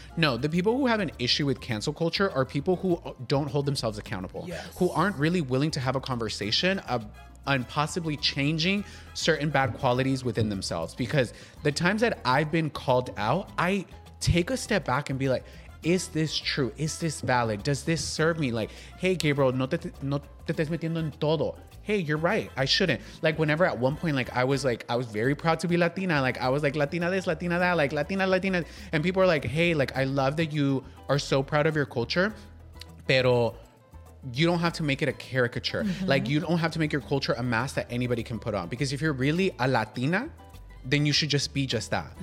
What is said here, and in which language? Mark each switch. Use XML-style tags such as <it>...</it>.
<en>No, the people who have an issue with cancel culture are people who don't hold themselves accountable, who aren't really willing to have a conversation and possibly changing certain bad qualities within themselves. Because the times that I've been called out, I take a step back and be like, is this true? Is this valid? Does this serve me?</en> <es>Like, hey, Gabriel, no te estás metiendo en todo.</es> <en>Hey, you're right. I shouldn't. Like whenever at one point, like, I was very proud to be Latina. Like I was like, Latina this, Latina that, like Latina, Latina. And people are like, hey, like, I love that you are so proud of your culture, pero you don't have to make it a caricature. Mm-hmm. Like you don't have to make your culture a mask that anybody can put on. Because if you're really a Latina, then you should just be just that.</en>